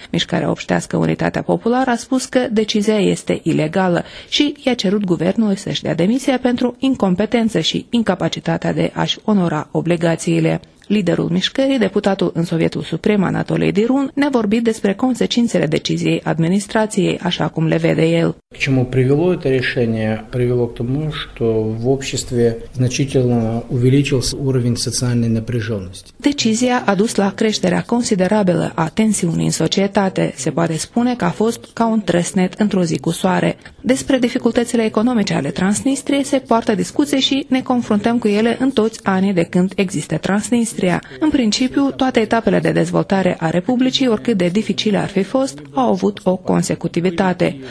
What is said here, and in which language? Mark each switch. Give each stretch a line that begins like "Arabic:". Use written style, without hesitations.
Romanian: Mișcarea obștească Unitatea Populară a spus că decizia este ilegală și i-a cerut guvernului să-și dea demisia pentru incompetență și incapacitatea de a-și onora obligațiile. Liderul mișcării, deputatul în Sovietul Suprem Anatolie Dirun, ne-a vorbit despre consecințele deciziei administrației, așa cum le vede el.
Russian: К чему привело это решение? Привело к тому, что в обществе значительно увеличился уровень социальной напряженности.
Romanian: Decizia a dus la creșterea considerabilă a tensiunii în societate. Se poate spune că a fost ca un trăsnet într-o zi cu soare. Despre dificultățile economice ale Transnistriei se poartă discuție și ne confruntăm cu ele în toți anii de când există Transnistria. În principiu, toate etapele de dezvoltare a Republicii, oricât de dificile ar fi fost, au avut o consecutivitate.